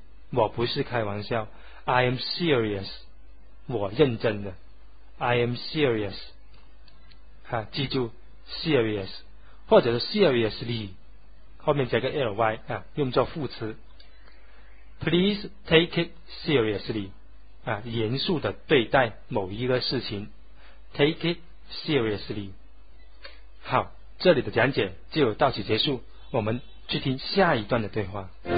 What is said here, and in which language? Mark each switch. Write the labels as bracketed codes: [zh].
[zh] 我不是开玩笑， [en] I am serious， [zh] 我认真的，I am serious， 记住 serious， 或者是 seriously， 后面加个 ly， 用作副词。 [en] Please take it seriously， [zh] 严肃的对待某一个事情 [en] ，take it seriously。 [zh] 好，这里的讲解就到此结束，我们去听下一段的对话。